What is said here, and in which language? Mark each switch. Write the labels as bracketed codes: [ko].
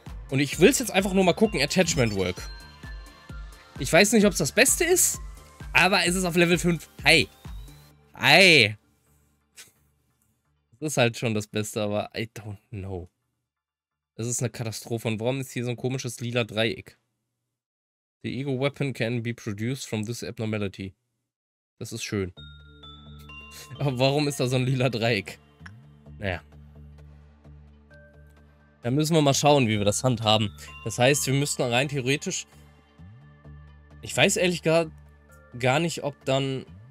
[de] Und ich will es jetzt einfach nur mal gucken, Attachment Work. Ich weiß nicht, ob es das Beste ist, aber es ist auf Level 5. Hi. Hi. Das ist halt schon das Beste, aber [en] I don't know. [de] Es ist eine Katastrophe. Und warum ist hier so ein komisches lila Dreieck? [en] The Ego Weapon can be produced from this abnormality. [de] Das ist schön. Aber warum ist da so ein lila Dreieck? Naja. Da müssen wir mal schauen, wie wir das handhaben. Das heißt, wir müssten rein theoretisch... Ich weiß ehrlich gar nicht, ob dann...